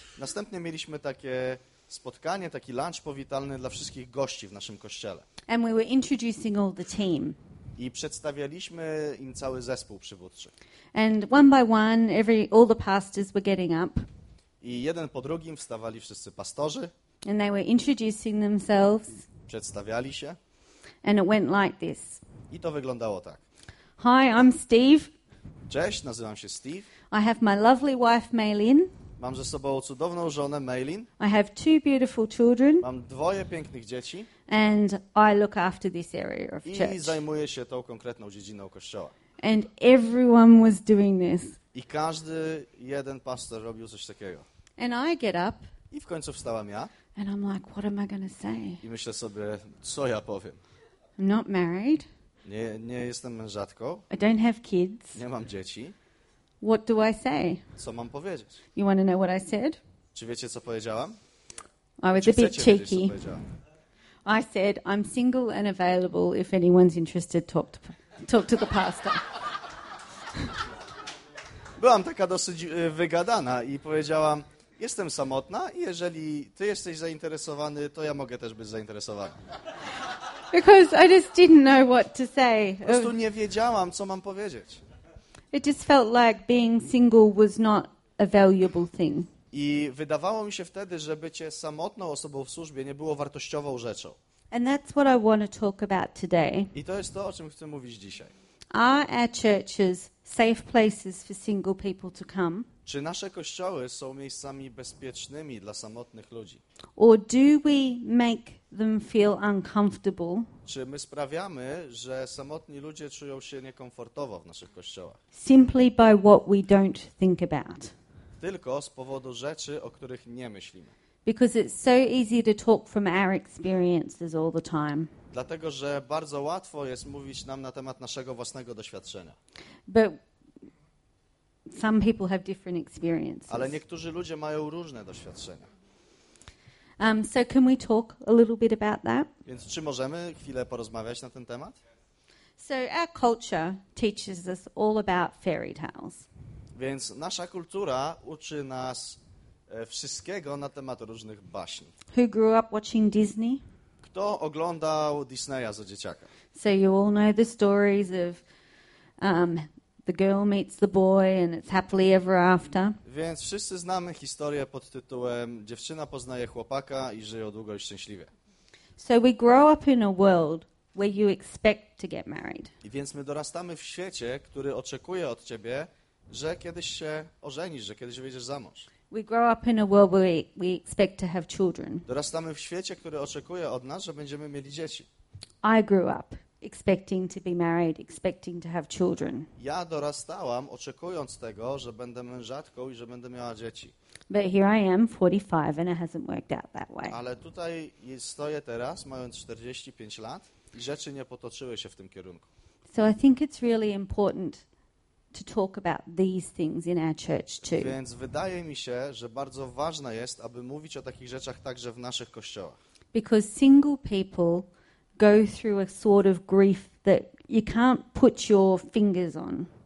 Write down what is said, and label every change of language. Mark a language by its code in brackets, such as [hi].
[pl] Następnie mieliśmy takie spotkanie, taki lunch powitalny dla wszystkich gości w naszym kościele. [en] And we were introducing all the team. [pl] I przedstawialiśmy im cały zespół przywódczy. [en] And one by one, all the pastors were getting up. [pl] I jeden po drugim wstawali wszyscy pastorzy. [en] And they were introducing themselves. [pl] Przedstawiali się. [en] And it went like this. [pl] I to wyglądało tak. [en] Hi, I'm Steve. [pl] Cześć, nazywam się Steve. [en] I have my lovely wife Maylin. [pl] Mam ze sobą cudowną żonę Maylin. [en] I have two beautiful children. [pl] Mam dwoje pięknych dzieci. [en] And I look after this area of church. [pl] I zajmuję się tą konkretną dziedziną kościoła. [en] And everyone was doing this. [pl] I każdy jeden pastor robił coś takiego. [en] And I get up. [pl] I w końcu wstałam ja. [en] And I'm like, what am I gonna say? [pl] I myślę sobie, co ja powiem. [en] I'm not married. [pl] Nie jestem mężatką. [en] I don't have kids. [pl] Nie mam dzieci. [en] What do I say? [pl] Co mam powiedzieć? [en] You want to know what I said? [pl] Czy wiecie, co powiedziałam? [en] I was a bit cheeky. I said, I'm single and available. If anyone's interested, talk to the pastor. [pl] Byłam taka dosyć wygadana i powiedziałam, jestem samotna i jeżeli ty jesteś zainteresowany, to ja mogę też być zainteresowana. [en] Because I just didn't know what to say. [pl] Po prostu nie wiedziałam, co mam powiedzieć. [en] It just felt like being single was not a valuable thing. [pl] I wydawało mi się wtedy, że bycie samotną osobą w służbie nie było wartościową rzeczą. [en] And that's what I want to talk about today. [pl] I to jest to, o czym chcę mówić dzisiaj. [en] Are our churches safe places for single people to come? [pl] Czy nasze kościoły są miejscami bezpiecznymi dla samotnych ludzi? [en] Or do we make them feel uncomfortable? [pl] Czy my sprawiamy, że samotni ludzie czują się niekomfortowo w naszych kościołach? [en] Simply by what we don't think about. [pl] Tylko z powodu rzeczy, o których nie myślimy. [en] Because it's so easy to talk from our experiences all the time. [pl] Dlatego, że bardzo łatwo jest mówić nam na temat naszego własnego doświadczenia. [en] But some people have different experiences. [pl] Ale niektórzy ludzie mają różne doświadczenia. [en] So can we talk a little bit about that? [pl] Więc czy możemy chwilę porozmawiać na ten temat? [en] So our culture teaches us all about fairy tales. [pl] Więc nasza kultura uczy nas wszystkiego na temat różnych baśni. [en] Who grew up watching Disney? [pl] Kto oglądał Disneya za dzieciaka? [en] So you all know the stories of the girl meets the boy and it's happily ever after. [pl] Więc wszyscy znamy historię pod tytułem Dziewczyna poznaje chłopaka i żyją długo i szczęśliwie. [en] So we grow up in a world where you expect to get married. [pl] I więc my dorastamy w świecie, który oczekuje od ciebie, że kiedyś się ożenisz, że kiedyś wyjdziesz za mąż. [en] We grow up in a world where we expect to have children. [pl] Dorastamy w świecie, który oczekuje od nas, że będziemy mieli dzieci. [en] I grew up expecting to be married, expecting to have children. [pl] Ja dorastałam oczekując tego, że będę mężatką i że będę miała dzieci. [en] But here I am, 45, and it hasn't worked out that way. [pl] Ale tutaj stoję teraz, mając 45 lat, i rzeczy nie potoczyły się w tym kierunku. [en] So I think it's really important to talk about these things in our church too. [pl] Więc wydaje mi się, że bardzo ważne jest, aby mówić o takich rzeczach także w naszych kościołach. [en] Because single people go through a sort of grief that you can't put your fingers on.